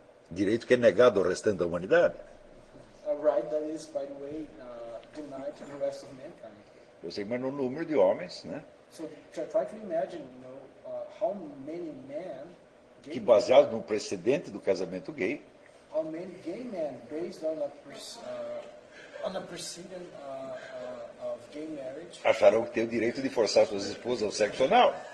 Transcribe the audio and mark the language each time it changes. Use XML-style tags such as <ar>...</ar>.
<pt>Direito que é negado ao restante da humanidade.</pt> <en>A right that is, by the way, denied to the rest of mankind.</en> <pt>Você imagina o número de homens, né?</pt> <en>So try to imagine, you know, how many men,</en> <pt>gay, que baseado no precedente do casamento gay,</pt> <en>how many gay men based on a precedent of gay marriage,</en> <pt>acharam que tem o direito de forçar suas esposas ao sexo anal.</pt>